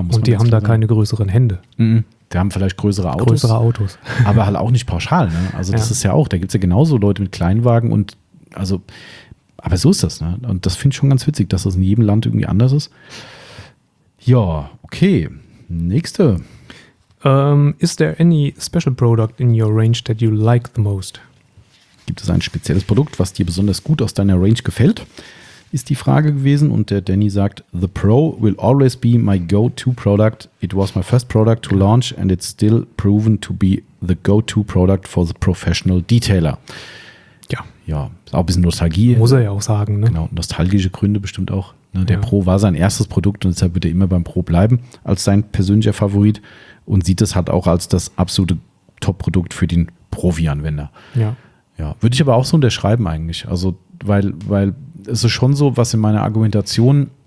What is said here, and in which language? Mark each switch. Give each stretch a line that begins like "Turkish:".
German: Muss und die haben da keine größeren Hände. Mhm. Die haben vielleicht größere Autos. Aber halt auch nicht pauschal. Ne? Also das ist ja auch, da gibt es ja genauso Leute mit Kleinwagen und also, aber so ist das. Ne? Und das finde ich schon ganz witzig, dass das in jedem Land irgendwie anders ist. Ja, okay. Nächste.
English: Is there any special product in your range that you like the most?
German: Gibt es ein spezielles Produkt, was dir besonders gut aus deiner Range gefällt, ist die Frage gewesen. Und der Danny sagt,
English: the Pro will always be my go-to product. It was my first product to launch and it's still proven to be the go-to product for the professional detailer.
German: Ja. Ja, ist auch ein bisschen Nostalgie. Muss er ja auch sagen. Ne? Genau, nostalgische Gründe bestimmt auch. Ne? Der Pro war sein erstes Produkt und deshalb wird er immer beim Pro bleiben als sein persönlicher Favorit und sieht es halt auch als das absolute Top-Produkt für den Profi-Anwender. Ja. Ja, würde ich aber auch so unterschreiben eigentlich. Also, weil es ist schon so, was in meiner Argumentation